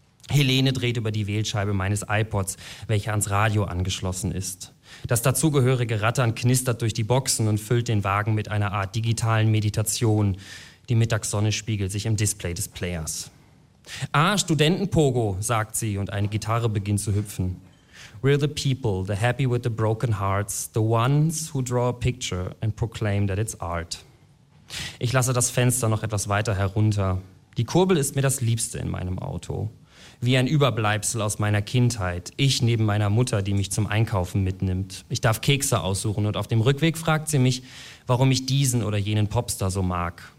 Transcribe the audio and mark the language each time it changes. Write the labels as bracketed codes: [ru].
[de] Helene dreht über die Wählscheibe meines iPods, welcher ans Radio angeschlossen ist. Das dazugehörige Rattern knistert durch die Boxen und füllt den Wagen mit einer Art digitalen Meditation. Die Mittagssonne spiegelt sich im Display des Players. Ah, Studentenpogo, sagt sie und eine Gitarre beginnt zu hüpfen. [en] We're the people, the happy with the broken hearts, the ones who draw a picture and proclaim that it's art. [de] Ich lasse das Fenster noch etwas weiter herunter. Die Kurbel ist mir das Liebste in meinem Auto. Wie ein Überbleibsel aus meiner Kindheit. Ich neben meiner Mutter, die mich zum Einkaufen mitnimmt. Ich darf Kekse aussuchen und auf dem Rückweg fragt sie mich, warum ich diesen oder jenen Popstar so mag.